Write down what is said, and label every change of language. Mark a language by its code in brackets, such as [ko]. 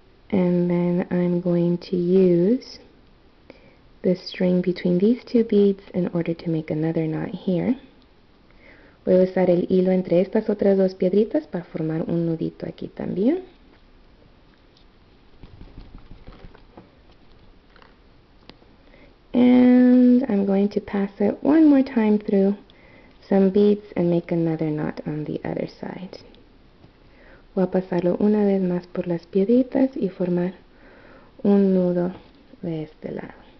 [en] And then I'm going to use the string between these two beads in order to make another knot here. [es] Voy a usar el hilo entre estas otras dos piedritas para formar un nudito aquí también. [en] And I'm going to pass it one more time through some beads and make another knot on the other side. [es] Voy a pasarlo una vez más por las piedritas y formar un nudo de este lado.